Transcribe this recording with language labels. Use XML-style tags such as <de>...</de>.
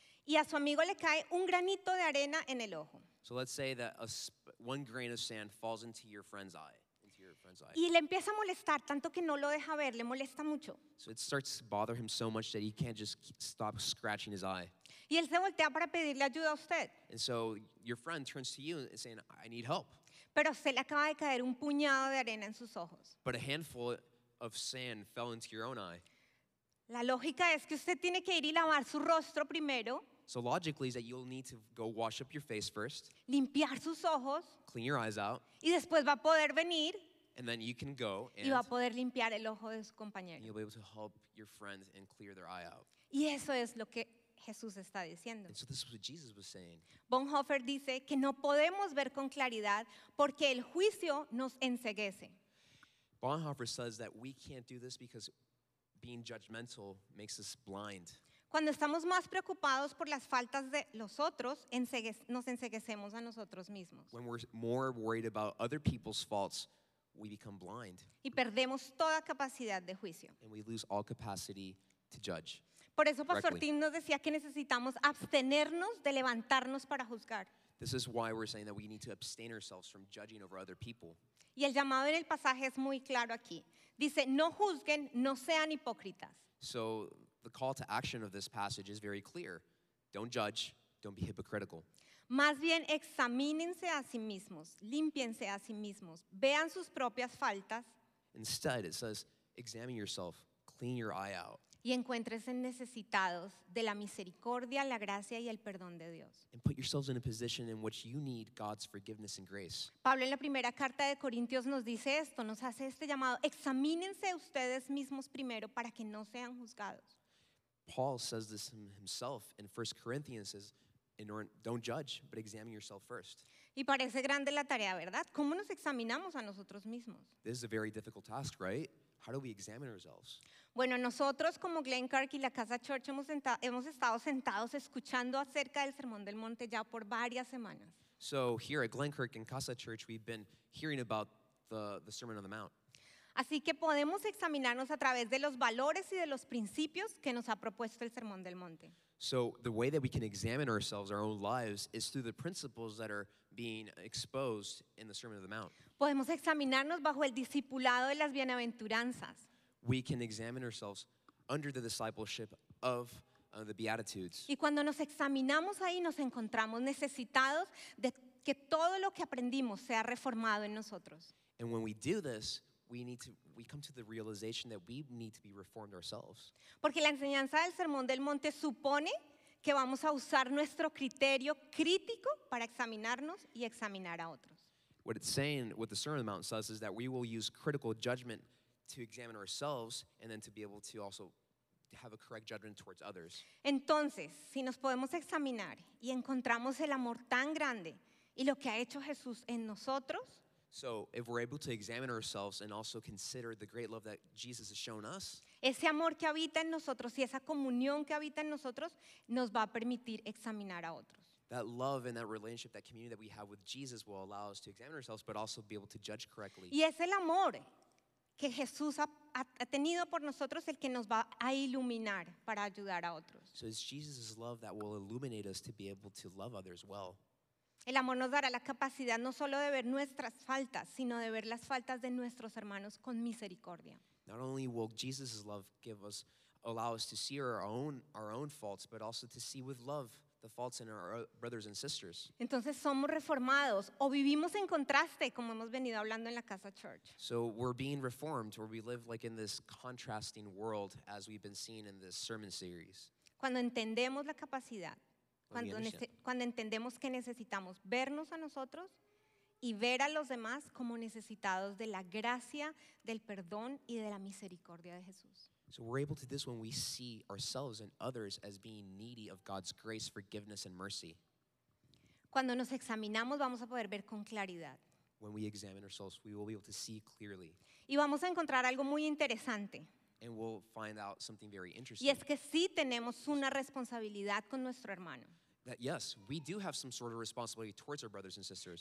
<es>Y a su amigo le cae un granito de arena en el ojo.</es> <en>So let's say that one grain of sand falls into your friend's eye.</en> <es>Y le empieza a molestar tanto que no lo deja ver, le molesta mucho.</es> <en>So it starts to bother him so much that he can't just stop scratching his eye.</en> <es>Y él se voltea para pedirle ayuda a usted.</es> <en>And so your friend turns to you and saying, I need help.</en> <es>Pero se le acaba de caer un puñado de arena en sus ojos.</es> <en>But a handful of sand fell into your own eye.</en> <es>La lógica es que usted tiene que ir y lavar su rostro primero.</es> <en>So logically is that you'll need to go wash up your face first.</en> <es>Limpiar sus ojos.</es> <en>Clean your eyes out.</en> <es>Y después va a poder venir.</es> <en>And then you can go and</en> <es>y va a poder limpiar el ojo de su compañero.</es> <en>You'll be able to help your friends and clear their eye out.</en> <es>Y eso es lo que Jesús está diciendo.</es> <en>And so this is what Jesus was saying.</en> <es>Bonhoeffer dice que no podemos ver con claridad porque el juicio nos enceguece.</es> <en>Bonhoeffer says that we can't do this because being judgmental makes us blind.</en> <es>Cuando estamos más preocupados por las faltas de los otros, nos enceguecemos a nosotros mismos.</es> <en>When we're more worried about other people's faults, we become blind.</en> <es>Y perdemos toda capacidad de juicio.</es> <en>And we lose all capacity to judge.</en> <es>Por eso Pastor Tim nos decía que necesitamos abstenernos de levantarnos para juzgar.</es> <en>This is why we're saying that we need to abstain ourselves from judging over other people.</en> <es>Y el llamado en el pasaje es muy claro aquí. Dice, no juzguen, no sean hipócritas.</es> <en>So the call to action of this passage is very clear. Don't judge, don't be hypocritical.</en> <es>Más bien, examínense a sí mismos, límpiense a sí mismos, vean sus propias faltas.</es> <en>Instead, it says, examine yourself, clean your eye out.</en> <es>Y encuéntrense necesitados de la misericordia, la gracia y el perdón de Dios.</es> <en>And put yourselves in a position in which you need God's forgiveness and grace.</en> <es>Pablo en la primera carta de Corintios nos dice esto, nos hace este llamado, examínense ustedes mismos primero para que no sean juzgados.</es> <en>Paul says this himself in 1 Corinthians, says, don't judge, but examine yourself first.</en> <es>Y parece grande la tarea, ¿verdad? ¿Cómo nos examinamos a nosotros mismos?</es> <en>This is a very difficult task, right? How do we examine ourselves?</en> <es>Bueno, nosotros como Glen Clark y la Casa Church hemos estado sentados escuchando acerca del Sermón del Monte ya por varias semanas.</es> <en>So here at Glen Clark and Casa Church, we've been hearing about the Sermon on the Mount.</en> <es>Así que podemos examinarnos a través de los valores y de los principios que nos ha propuesto el Sermón del Monte.</es> <en>So the way that we can examine ourselves, our own lives, is through the principles that are being exposed in the Sermon on the Mount.</en> <es>Podemos examinarnos bajo el discipulado de las bienaventuranzas.</es> <en>We can examine ourselves under the discipleship of the Beatitudes.</en> <es>Y cuando nos examinamos ahí, nos encontramos necesitados de que todo lo que aprendimos sea reformado en nosotros.</es> <en>And when we do this, we come to the realization that we need to be reformed ourselves.</en> <es>Porque la enseñanza del Sermón del Monte supone que vamos a usar nuestro criterio crítico para examinarnos y examinar a otros.</es> <en>What it's saying, what the Sermon on the Mount says, is that we will use critical judgment to examine ourselves and then to be able to also have a correct judgment towards others.</en> <es>Entonces, si nos podemos examinar y encontramos el amor tan grande y lo que ha hecho Jesús en nosotros,</es> <en>so if we're able to examine ourselves and also consider the great love that Jesus has shown us,</en> <es>ese amor que habita en nosotros y esa comunión que habita en nosotros nos va a permitir examinar a otros.</es> <en>That love and that relationship, that community that we have with Jesus will allow us to examine ourselves but also be able to judge correctly.</en> <es>Y es el amor que Jesús ha tenido por nosotros el que nos va a iluminar para ayudar a otros.</es> <en>So it's Jesus' love that will illuminate us to be able to love others well.</en> <es>El amor nos dará la capacidad no solo de ver nuestras faltas, sino de ver las faltas de nuestros hermanos con misericordia.</es> <en>Not only will Jesus' love allow us to see our own faults, but also to see with love the faults in our brothers and sisters.</en> <es>Entonces somos reformados o vivimos en contraste, como hemos venido hablando en la Casa Church.</es> <en>So we're being reformed, or we live like in this contrasting world as we've been seeing in this sermon series.</en> <es>Cuando entendemos la capacidad, cuando entendemos que necesitamos vernos a nosotros y ver a los demás como necesitados de la gracia, del perdón y de la misericordia de Jesús.</es> <en>So we're able to do this when we see ourselves and others as being needy of God's grace, forgiveness, and mercy.</en> <es>Cuando nos examinamos, vamos a poder ver con claridad.</es> <en>When we examine ourselves, we will be able to see clearly.</en> <es>Y vamos a encontrar algo muy interesante.</es> <en>And we'll find out something very interesting.</en> <es>Y es que sí tenemos una responsabilidad con nuestro hermano.</es> <en>That yes, we do have some sort of responsibility towards our brothers and sisters.</en>